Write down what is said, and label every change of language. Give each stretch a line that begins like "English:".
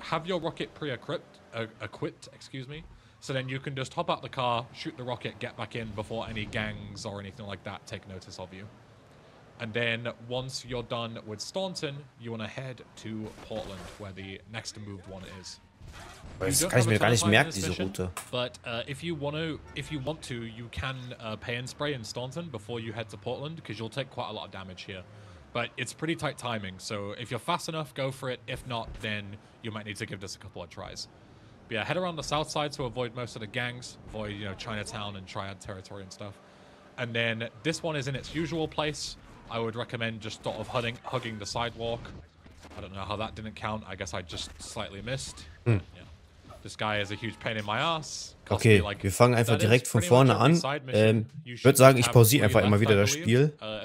English: Have your rocket equipped. So then you can just hop out the car, shoot the rocket, get back in before any gangs or anything like that take notice of you. And then once you're done with Staunton, you want to head to Portland, where the next moved one is.
German: Das kann ich mir gar nicht merken, diese Route.
English: But if you want to, you can pay and spray in Staunton before you head to Portland, because you'll take quite a lot of damage here. But it's pretty tight timing, so if you're fast enough, go for it. If not, then you might need to give this a couple of tries. But yeah, head around the south side to avoid most of the gangs, avoid, you know, Chinatown and Triad territory and stuff. And then this one is in its usual place. I would recommend just sort of hugging the sidewalk. I don't know how that didn't count. I guess I just slightly missed. Mm. Yeah. This guy is a huge pain in my ass.
German: Okay, wir fangen einfach direkt von vorne an. Ich würde sagen, ich pausiere einfach immer wieder das Spiel.